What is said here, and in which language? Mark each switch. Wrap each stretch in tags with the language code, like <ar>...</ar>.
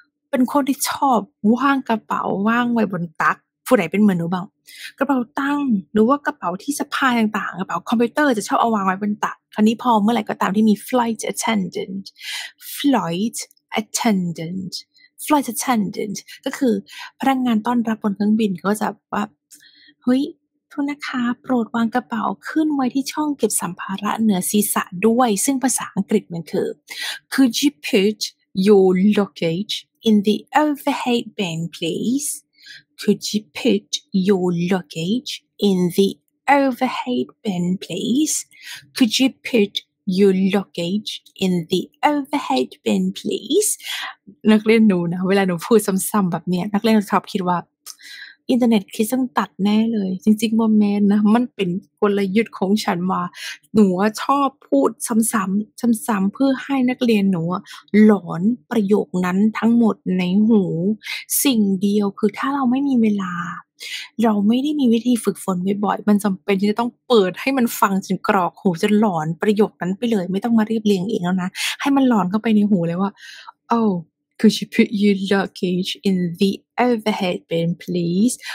<th>เป็นคนที่ชอบวางกระเป๋าวางไว้บนตักผู้ใดเป็นเหมือนหนูบ้างกระเป๋าตั้งหรือว่ากระเป๋าที่สะพายต่างๆกระเป๋าคอมพิวเตอร์จะชอบเอาวางไว้บนตักคราวนี้พอเมื่อไหร่ก็ตามที่มี flight attendant ก็คือพนักงานต้อนรับบนเครื่องบินเขาจะว่า เฮ้ยทุกนะคะโปรดวางกระเป๋าขึ้นไว้ที่ช่องเก็บสัมภาระเหนือศีรษะด้วยซึ่งภาษาอังกฤษมันคือ</th> <en>could you put your luggageIn the overhead bin, please. Could you put your luggage in the overhead bin, please? Could you put your luggage in the overhead bin, please?</en> <th>นักเรียนหนูนะเวลาหนูพูดซ้ำๆแบบเนี้ยนักเรียนชอบคิดว่าอินเทอร์เน็ตคิดต้องตัดแน่เลยจริงๆโมเมนต์นะมันเป็นกลยุทธ์ของฉันว่าหนูชอบพูดซ้ำๆเพื่อให้นักเรียนหนูหลอนประโยคนั้นทั้งหมดในหูสิ่งเดียวคือถ้าเราไม่มีเวลาเราไม่ได้มีวิธีฝึกฝนบ่อยๆมันจำเป็นที่จะต้องเปิดให้มันฟังจนกรอกหูจนหลอนประโยคนั้นไปเลยไม่ต้องมาเรียบเรียงเองแล้วนะให้มันหลอนเข้าไปในหูเลยว่าโอ้</th> <en>Could you put your luggage in the overhead bin, please?</en>